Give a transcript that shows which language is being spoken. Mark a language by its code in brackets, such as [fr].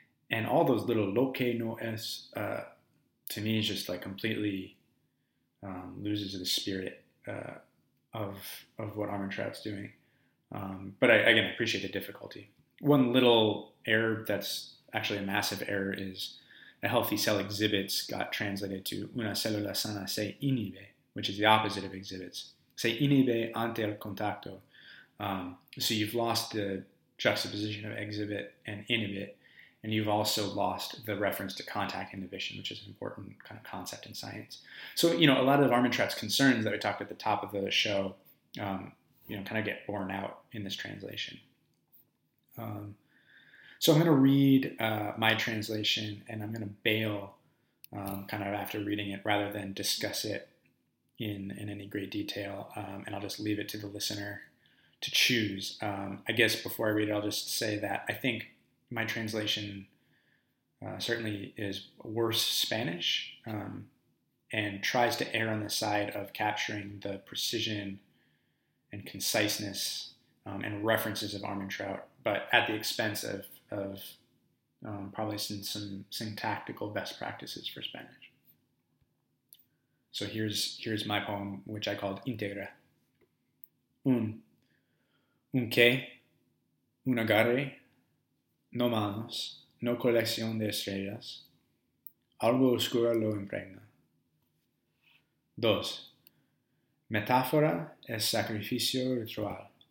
[en] And all those little [es] lo que no es, [en] to me, is just like completely loses the spirit of what Armentrout's doing. But I appreciate the difficulty. One little error that's actually a massive error is a healthy cell exhibits got translated to [es] una célula sana se inhibe, [en] which is the opposite of exhibits. [es] Se inhibe ante el contacto. [en] So you've lost the juxtaposition of exhibit and inhibit, and you've also lost the reference to contact inhibition, which is an important kind of concept in science. So, you know, a lot of Armentrout's concerns that we talked at the top of the show, kind of get borne out in this translation. So I'm going to read my translation, and I'm going to bail kind of after reading it rather than discuss it in any great detail. And I'll just leave it to the listener to choose. I guess before I read it, I'll just say that I think my translation certainly is worse Spanish and tries to err on the side of capturing the precision and conciseness and references of Armentrout, but at the expense of probably some syntactical best practices for Spanish. So here's my poem, which I called Integra. [es] Un qué, un agarre, no manos, no colección de estrellas, algo oscuro lo impregna. Dos. Metáfora es sacrificio ritual.